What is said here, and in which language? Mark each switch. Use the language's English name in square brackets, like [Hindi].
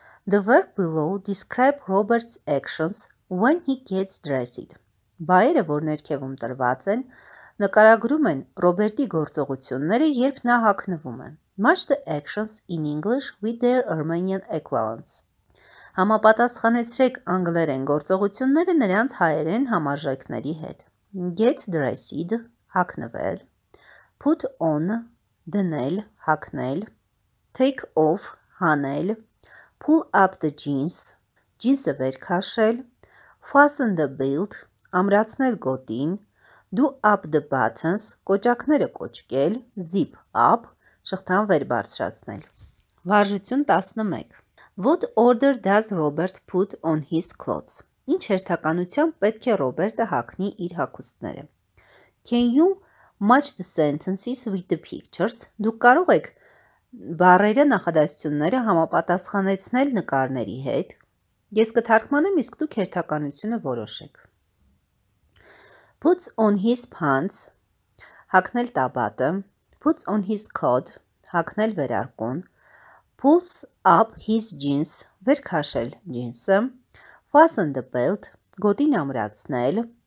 [English] The verb below describe Robert's actions when he gets dressed. [Armenian] Բայերը, որ ներքևում տրված են, նկարագրում են Ռոբերտի գործողությունները, երբ նա հագնվում է. [English] Match the actions in English with their Armenian equivalents. [Armenian] Համապատասխանեցրեք անգլերեն գործողությունները նրանց հայերեն համարժեքների հետ. [English] Get dressed, [Armenian] հագնվել. [English] Put on, [Armenian] դնել, հագնել, [English] take off, [Armenian] հանել, [English] pull up the jeans, [Armenian] ջինսը վեր քաշել, [English] fasten the belt, [Armenian] ամրացնել գոտին, [English] do up the buttons, [Armenian] կոճակները կոճկել, [English] zip up, [Armenian] շղթան վեր բարձրացնել։ [English] Վարժություն 11. What order does Robert put on his clothes? [Armenian] Ինչ հերթականությամբ պետք է Ռոբերտը հագնի իր հագուստները։ [English] Can you match the sentences with the pictures? [Armenian] Դուք կարող եք բառերը նախադասությունները համապատասխանեցնել նկարների հետ։ Ես կթարգմանեմ, իսկ դուք հերթականությունը որոշեք։ [English] Puts on his pants, [Armenian] հագնել տաբատը, [English] puts on his coat, [Armenian] հագնել վերարկուն, [English] pulls up his jeans, [Armenian] վեր քաշել ջինսը, [English] fasten the belt, [Armenian] գոտին ամրացնել,